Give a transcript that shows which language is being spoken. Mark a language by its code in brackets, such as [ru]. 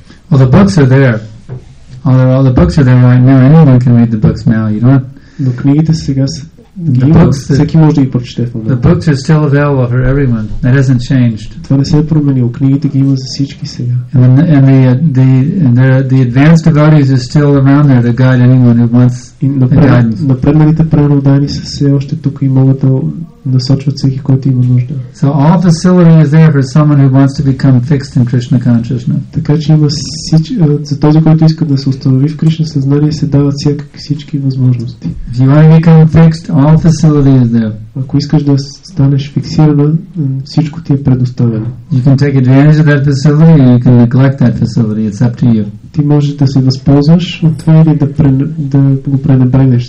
[en] Well, the books are there. All the books are there right now. Anyone can read the books now. You don't. [bg] Но книгите сега ги books, всеки може да ги прочете. [en] The books are still available for everyone. That hasn't changed. [bg] Това не се е променило. Книгите ги има за всички сега. [en] And the advanced devotees are still around there to guide anyone who wants guidance. [bg] Напредналите преводани са все още тук и могат да насочват всеки, който има нужда. [en] So all facility is there for someone who wants to become fixed in Krishna consciousness. [bg] Така че има за този, който иска да се установи в Кришна съзнание, се дават всички възможности. [en] If you want to become fixed, all facility is there. [bg] Ако искаш да станеш фиксирана, всичко ти е предоставено. [en] You can take advantage of that facility or you can neglect that facility. It's up to you. [bg] Ти можеш да се възползваш от това или да го пренебрегнеш.